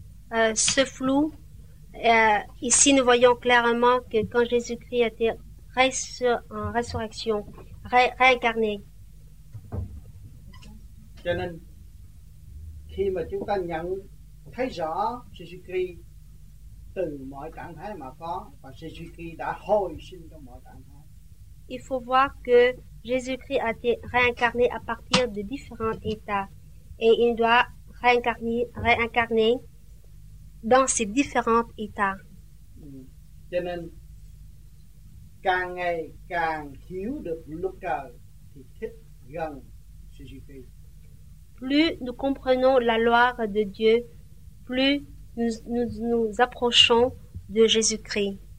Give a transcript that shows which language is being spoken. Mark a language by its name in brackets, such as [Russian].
[French] Dans ce flou, ici nous voyons clairement que quand Jésus-Christ était en résurrection, réincarné. [Vietnamese] Cho nên, khi mà chúng ta nhận thấy rõ Jésus-Christ từ mọi trạng thái mà có và Jésus-Christ đã hồi sinh trong mọi trạng thái. [French] Il faut voir que Jésus-Christ a été réincarné à partir de différents états et il doit réincarné dans ces différents états. [Vietnamese] Cho nên, càng ngày càng hiểu được luật trời thì thích gần Jésus-Christ. [French] Plus nous comprenons la loi de Dieu, plus nous approchons de Jésus-Christ.